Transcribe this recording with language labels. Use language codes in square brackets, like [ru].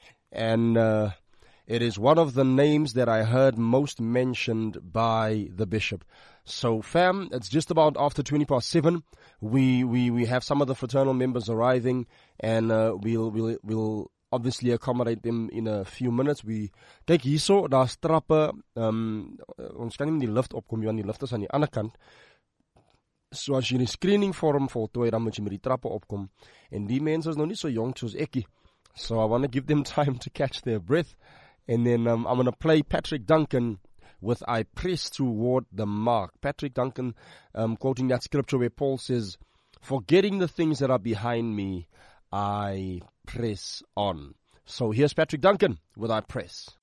[en] And it is one of the names that I heard most mentioned by the bishop. So, fam, it's just about after 7:20. We have some of the fraternal members arriving, and we'll obviously accommodate them in a few minutes. [af] We kyk hierso, daar's trappe. Ons kan nie die lift opkom, want die lift is aan die ander kant. So as jy die screening forum voltooi, dan moet jy met die trappe opkom. En die mense is nog nie so jong soos ekkie. [en] So I want to give them time to catch their breath. And then I'm going to play Patrick Duncan with I Press Toward the Mark. Patrick Duncan quoting that scripture where Paul says, forgetting the things that are behind me, I press on. So here's Patrick Duncan with I Press.